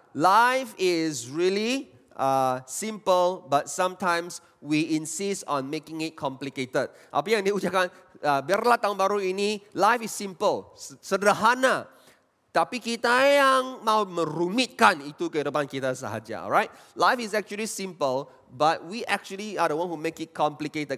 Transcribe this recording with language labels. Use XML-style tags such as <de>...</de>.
<en>Life is really simple, but sometimes we insist on making it complicated.</en> <id>Apa yang diucapkan, biarlah tahun baru ini,</id> <en>life is simple,</en> <id>sederhana. Tapi kita yang mau merumitkan itu kehidupan kita sahaja, alright?</id> <en>Life is actually simple, but we actually are the one who make it complicated.</en>